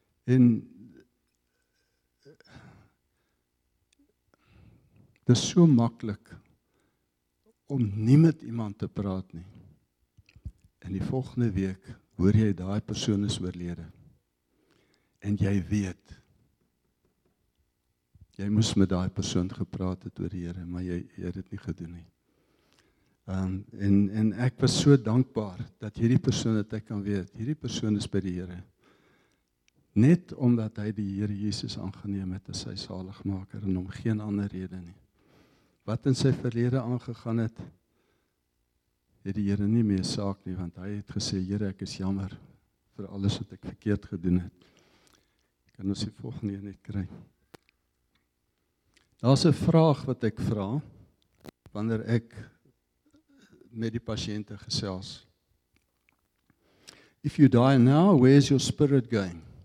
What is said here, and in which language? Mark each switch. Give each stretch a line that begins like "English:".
Afrikaans: En dis so makkelijk om nie met iemand te praat nie. En die volgende week hoor jy daai persoon is oorlede. En jy weet, jy moes met daai persoon gepraat het oor die Here, maar jy het dit nie gedoen nie. En ek was so dankbaar dat hierdie persoon het ek kan weet, hierdie persoon is by die Here. Net omdat hy die Here Jesus aangeneem het as sy saligmaker en om geen ander rede nie. Wat in sy verlede aangegaan het, het die Here nie meer saak nie, want hy het gesê, Here, ek is jammer vir alles wat ek verkeerd gedoen het. Ek kan ons die volgende net kry. Daar is 'n vraag wat ek vra, wanneer ek met die patiënte gesels.
English: If you die now, where is your spirit going?